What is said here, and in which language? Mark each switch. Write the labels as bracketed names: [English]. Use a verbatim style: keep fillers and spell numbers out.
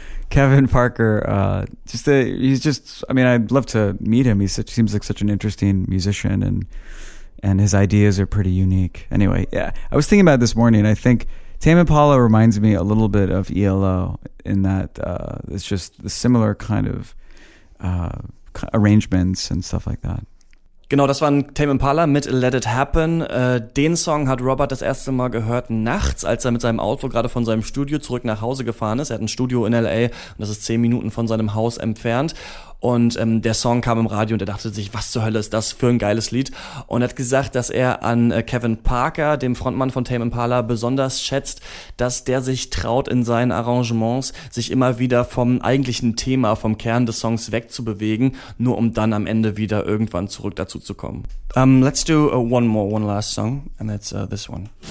[English] Kevin Parker, uh, just a, he's just, I mean, I'd love to meet him. He seems like such an interesting musician, and and his ideas are pretty unique. Anyway, yeah, I was thinking about it this morning. I think Tame Impala reminds me a little bit of E L O in that uh, it's just the similar kind of uh, arrangements and stuff like that. [German] Genau, das waren Tame Impala mit Let It Happen. Äh, den Song hat Robert das erste Mal gehört nachts, als er mit seinem Auto gerade von seinem Studio zurück nach Hause gefahren ist. Er hat ein Studio in L A und das ist zehn Minuten von seinem Haus entfernt. Und ähm, der Song kam im Radio und er dachte sich, was zur Hölle ist das für ein geiles Lied? Und hat gesagt, dass er an äh, Kevin Parker, dem Frontmann von Tame Impala, besonders schätzt, dass der sich traut, in seinen Arrangements sich immer wieder vom eigentlichen Thema, vom Kern des Songs wegzubewegen, nur um dann am Ende wieder irgendwann zurück dazu zu kommen. [English] Um, let's do uh, one more, one last song, and that's uh, this one.